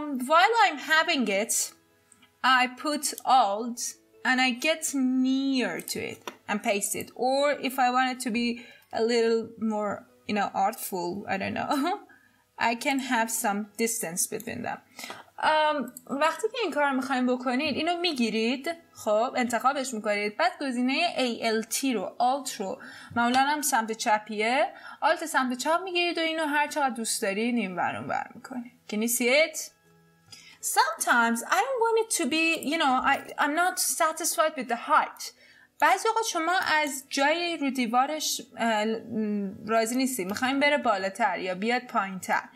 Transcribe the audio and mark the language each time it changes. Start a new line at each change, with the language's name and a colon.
English: While I'm having it, I put alt and I get near to it and paste it. Or if I want it to be a little more, you know, artful, I don't know, I can have some distance between them.
Persian: وقتی که این کار رو میخواییم بکنید، اینو میگیرید، خب انتخابش میکنید، بعد گزینه ALT رو، Alt رو، معمولا هم سمت چپیه، Alt سمت چپ میگیرید و اینو هر چقدر دوست داری نیم برون بر میکنید.
English: Can you see it? Sometimes I don't want it to be, you know, I'm not satisfied with the height.
Persian: بعضی وقت شما از جای رو دیوارش راضی نیستی، میخواییم بره بالاتر یا بیاد پایین تر.